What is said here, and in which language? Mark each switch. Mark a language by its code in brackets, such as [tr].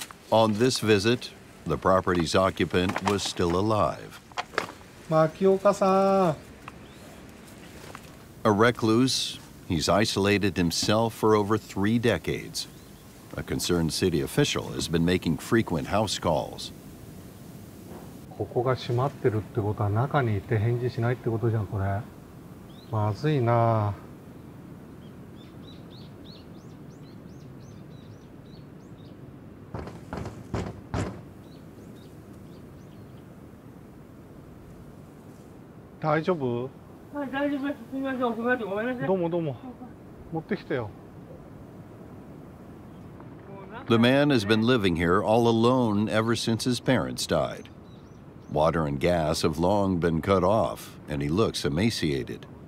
[en] On this visit, the property's occupant was still alive. [ja] Makioka-san. [en] A recluse, he's isolated himself for over three decades. A concerned city official has been making frequent house calls. [ja] ここが閉まってるってことは中にいて返事しないってことじゃん、これ。まずいな。大丈夫？はい、大丈夫。すみません、遅くなってごめんなさい。どうもどうも。持ってきてよ。 [en] The man has been living here all alone ever since his parents died. Water and gas have long been cut off, and he looks emaciated.